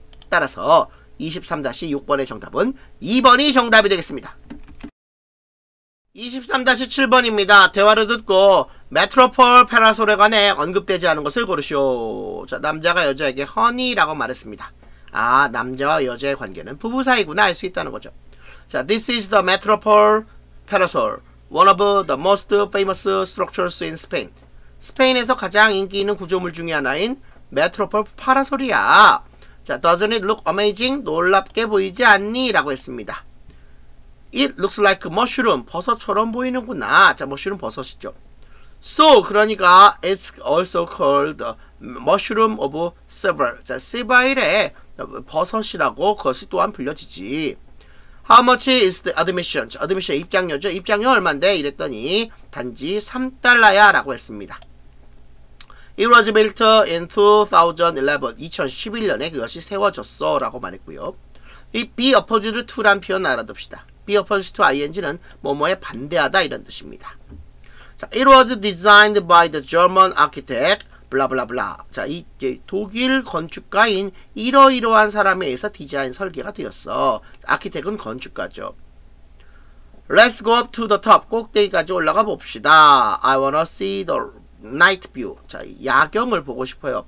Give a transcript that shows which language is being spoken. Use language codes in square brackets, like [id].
[ko] 따라서 23-6번의 정답은 2번이 정답이 되겠습니다. 23-7번입니다. 대화를 듣고 메트로폴 파라솔에 관해 언급되지 않은 것을 고르시오. 자, 남자가 여자에게 허니라고 말했습니다. 아, 남자와 여자의 관계는 부부 사이구나 알 수 있다는 거죠. [en] 자, This is the Metropole Parasol, one of the most famous structures in Spain. [ko] 스페인에서 가장 인기 있는 구조물 중의 하나인 메트로폴 파라솔이야. 자, [en] doesn't it look amazing? [ko] 놀랍게 보이지 않니? 라고 했습니다. [en] It looks like mushroom. [ko] 버섯처럼 보이는구나. 자, 머쉬룸 버섯이죠. [en] So, [ko] 그러니까 [en] it's also called mushroom of Seville. [ko] 자, 시바일의 버섯이라고 그것이 또한 불려지지. [en] How much is the admission? 자, admission [ko] 입장료죠. 입장료 얼마인데? 이랬더니 단지 3달러야 라고 했습니다. [en] It was built in 2011. [ko] 2011년에 그것이 세워졌어 라고 말했고요. Be opposed to란 표현 알아둡시다. Be opposed to ing는 뭐뭐에 반대하다 이런 뜻입니다. [en] 자, It was designed by the German architect. [ko] 블라블라블라. 자, 이제 독일 건축가인 이러이러한 사람에 의해서 디자인 설계가 되었어. 아키텍은 건축가죠. [en] Let's go up to the top. [ko] 꼭대기까지 올라가 봅시다. [en] I wanna see the night view. 자, [ko] 야경을 보고 싶어요.